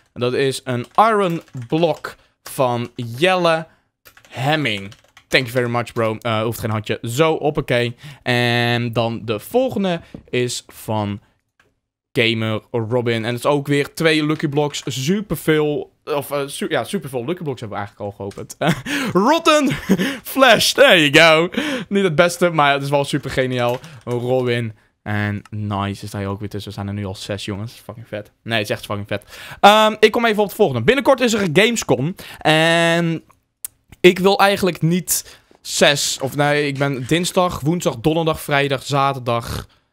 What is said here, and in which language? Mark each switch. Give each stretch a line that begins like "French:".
Dutch: Dat is een iron block van Jelle Hemming.
English: Thank you very much, bro.
Dutch: Hoeft geen handje. Zo, hoppakee. En dan de volgende is van Gamer Robin. En het is ook weer 2 lucky blocks. Superveel... superveel Lucky Blocks hebben we eigenlijk al geopend.
English: Rotten Flash, there you go.
Dutch: Niet het beste, maar het is wel super geniaal. Robin en nice, is daar ook weer tussen. We zijn er nu al 6 jongens, fucking vet. Nee, het is echt fucking vet. Ik kom even op het volgende. Binnenkort is er een Gamescom. En ik wil eigenlijk niet 6. Of nee, ik ben dinsdag, woensdag, donderdag, vrijdag, zaterdag...